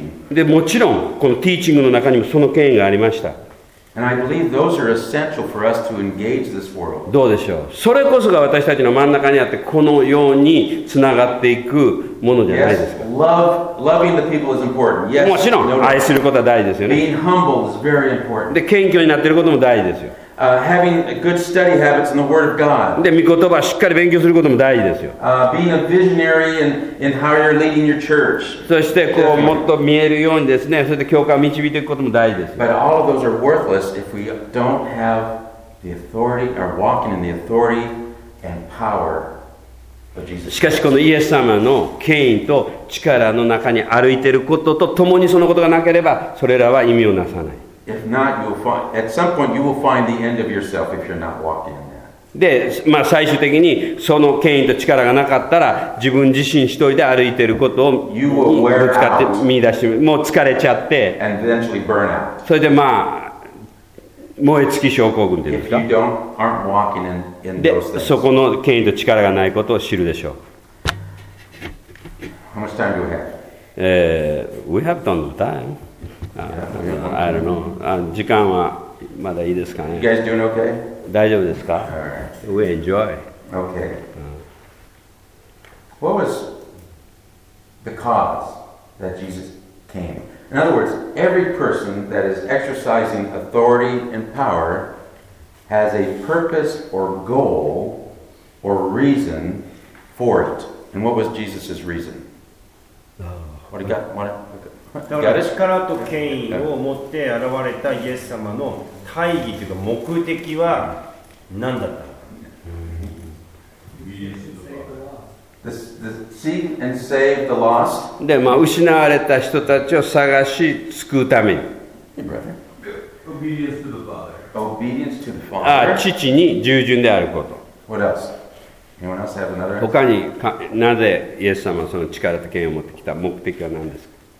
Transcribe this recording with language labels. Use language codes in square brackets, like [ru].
[ja] で、もちろん、このティーチングの中にもその権威がありました。 [en] And I believe those are essential for us to engage this world. [ja] どうでしょう。それこそが私たちの真ん中にあってこのようにつながっていくものじゃないですか。 [en] Yes, loving the people is important. Yes, [ja] もちろん愛することは大事ですよね。 [en] Being humble is very important. [ja] で謙虚になっていることも大事ですよ。 [en] Having good study habits in the Word of God. [ja] で御言葉をしっかり勉強することも大事ですよ。 [en] Being a visionary in how you're leading your church. [ja] そしてこうもっと見えるようにですね、そして教会を導いていくことも大事です。 [en] But all of those are worthless if we don't have the authority or walking in the authority and power of Jesus. [ja] しかしこのイエス様の権威と力の中に歩いていることとともにそのことがなければ、それらは意味をなさない。 [en] If not, you will find. At some point, you will find the end of yourself if you're not walking in that. [ja] で、まあ最終的にその権威と力がなかったら、自分自身一人で歩いていることをぶつかって見出して、もう疲れちゃって、 [en] and eventually burn out. [ja] それでまあ燃え尽き症候群というんですか。 [en] If you aren't walking in those things. [ja] で、そこの権威と力がないことを知るでしょう。 [en] How much time do we have? We have done the time. I don't know. [ja] 時間はまだいいですかね。 [en] You guys doing okay? [ja] 大丈夫ですか。 [en] All right. We enjoy. Okay. What was the cause that Jesus came? In other words, every person that is exercising authority and power has a purpose or goal or reason for it. And what was Jesus's reason? What he got? What? [ja] だから力と権威を持って現れたイエス様の大義というか目的は何だった [en] の the seek and save the lost. [ja] で、まあ、失われた人たちを探し救うために [en] Obedience to the Father. [ja] 父に従順であること他にかなぜイエス様はその力と権威を持ってきた目的は何ですか